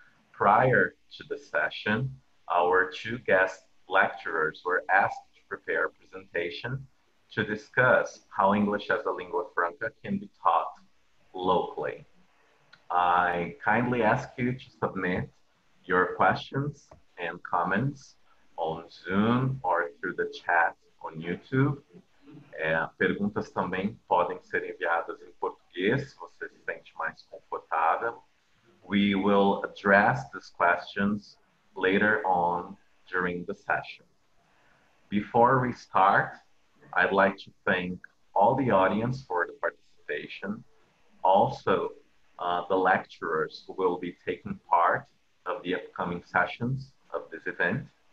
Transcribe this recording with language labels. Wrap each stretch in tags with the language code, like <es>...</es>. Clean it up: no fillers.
<en>Prior to the session, our two guest lecturers were asked to prepare a presentation to discuss how English as a lingua franca can be taught locally. I kindly ask you to submit your questions and comments on Zoom or through the chat on YouTube.</en> <pt>Perguntas também podem ser enviadas em português, se você se sente mais confortável.</pt> <en>We will address these questions later on during the session. Before we start, I'd like to thank all the audience for the participation. Also, the lecturers who will be taking part of the upcoming sessions of this event.</en>